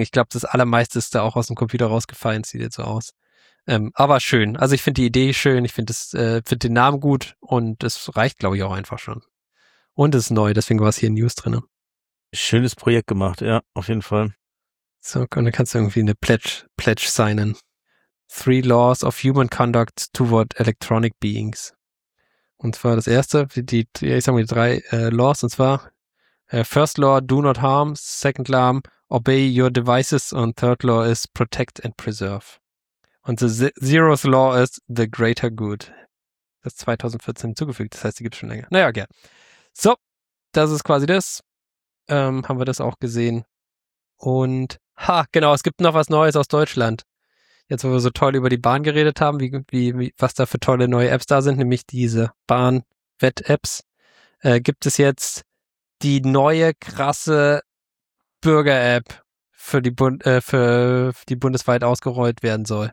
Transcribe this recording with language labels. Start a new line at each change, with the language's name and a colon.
German: Ich glaube, das allermeiste ist da auch aus dem Computer rausgefallen. Sieht jetzt so aus. Aber schön. Also ich finde die Idee schön. Ich finde find den Namen gut und es reicht, glaube ich, auch einfach schon. Und es ist neu, deswegen war es hier in News drin. Schönes Projekt gemacht, ja, auf jeden Fall. So, und dann kannst du irgendwie eine Pledge signen.
English: 3 Laws of Human Conduct Toward Electronic Beings.
German: Und zwar das erste, Laws, und zwar
English: First Law, do not harm. Second Law, obey your devices. Und Third Law ist protect and preserve.
German: Und
English: the Zeroth Law
German: ist
English: the greater good.
German: Das ist 2014 hinzugefügt, das heißt, die gibt es schon länger. Naja, gern. So, das ist quasi das. Haben wir das auch gesehen. Und, genau, es gibt noch was Neues aus Deutschland. Jetzt, wo wir so toll über die Bahn geredet haben, was da für tolle neue Apps da sind, nämlich diese Bahn-Wett-Apps, gibt es jetzt die neue, krasse Bürger-App, für die bundesweit ausgerollt werden soll.